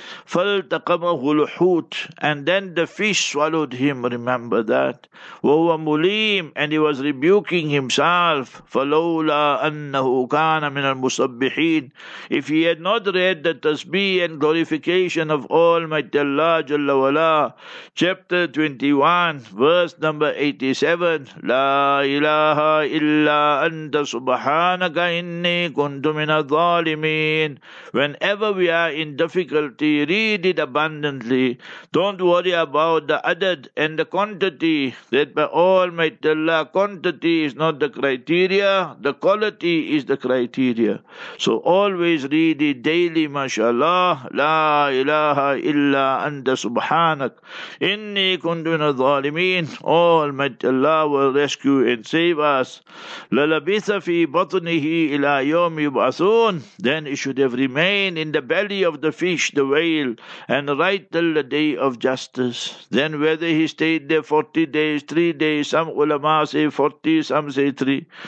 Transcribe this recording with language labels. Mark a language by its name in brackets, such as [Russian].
[Arabic] فَلْتَقَمَهُ الْحُوتِ, [English] and then the fish swallowed him, remember that. [Arabic] وَهُوَ مُلِيمِ, [English] and he was rebuking himself. [Arabic] فَلَوْلَا أَنَّهُ كَانَ مِنَ الْمُصَبِّحِينَ, [English] if he had not read the tasbih and glorification of Almighty Allah Jalla Wala. Chapter 21, verse number 87, [Arabic] لا إله إلا أنت سبحانك إني كنت من الظالمين. [English] Whenever we are in difficulty, read it abundantly. Don't worry about the adad and the quantity, that by Almighty Allah, quantity is not the criteria, the quality is the criteria. So always read it daily, mashallah. [Arabic] لا إله إلا أنت سبحانك إني كنت من الظالمين. [English] Almighty Allah will rescue and save us. [Arabic] لَلَبِثَ فِي بَطْنِهِ إِلَى يَوْمِ يُبْعَثُونَ, [English] then it should have remained in the belly of the fish, the whale, and right till the day of justice. Then whether he stayed there 40 days, 3 days, some ulama say 40, some say 3.